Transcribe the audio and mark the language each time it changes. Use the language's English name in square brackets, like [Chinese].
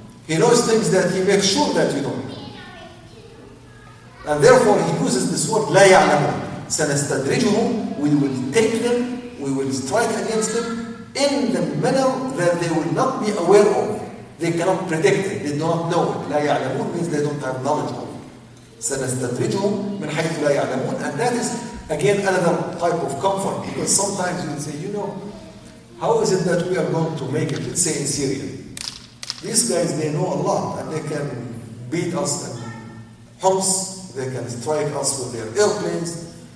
[English] He knows things that he makes sure that you don't know. And therefore he uses this word, [Arabic] لا يعلمون. سنستدرجهم. [English] We will take them. We will strike against them in the manner that they will not be aware of. They cannot predict it. They do not know it. [Arabic] لا يعلمون [English] means they don't have knowledge of it. [Arabic] سنستدرجهم من حيث لا يعلمون. [English] And that is again another type of comfort, because sometimes you say, you know, how is it that we are going to make it, let's say in Syria? These guys, they know a lot and they can beat us in Homs, they can strike us with their airplanes.